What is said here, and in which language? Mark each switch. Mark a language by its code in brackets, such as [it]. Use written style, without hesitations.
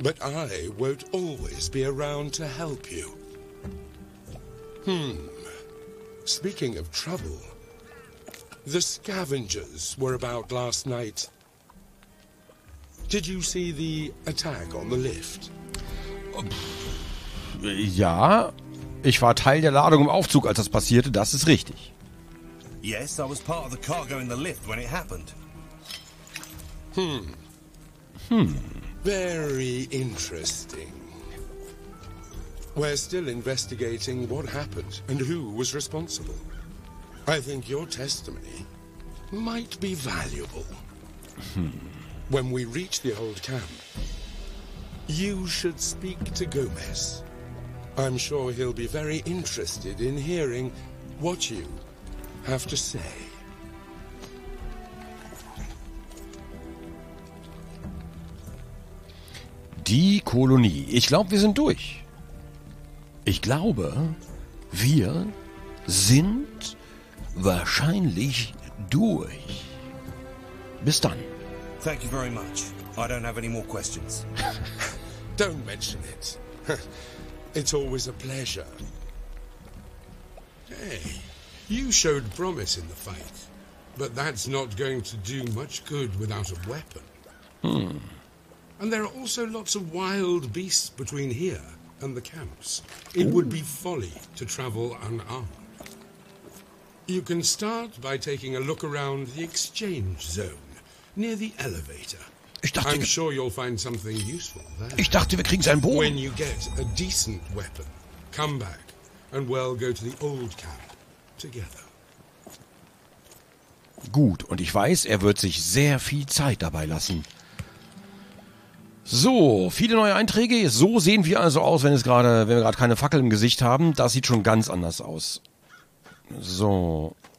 [en] But I won't always be around to help you. Speaking of trouble, the scavengers were about last night. Did you see the attack on the lift? [de] Ja, ich war Teil der Ladung im Aufzug, als das passierte, das ist richtig. [en] Yes, I was part of the cargo in the lift when it happened. Very interesting. We're still investigating what happened and who was responsible. I think your testimony might be valuable. When we reach the old camp, you should speak to Gomez. I'm sure he'll be very interested in hearing what you have to say. [de] Die Kolonie. Ich glaube, wir sind durch. Ich glaube, wir sind wahrscheinlich durch. Bis dann. [en] Thank you very much. I don't have any more questions. Don't mention it. It's always a pleasure. Hey, you showed promise in the fight, but that's not going to do much good without a weapon. And there are also lots of wild beasts between here and the camps. It would be folly to travel unarmed. You can start by taking a look around the exchange zone near the elevator. I'm sure you'll find something useful there. [de] Ich dachte, wir kriegen seinen Bogen. [en] When you get a decent weapon, come back and we'll go to the old camp together. [de] Gut, und ich weiß, er wird sich sehr viel Zeit dabei lassen. So, viele neue Einträge. So sehen wir also aus, wenn wir gerade keine Fackel im Gesicht haben. Das sieht schon ganz anders aus. So.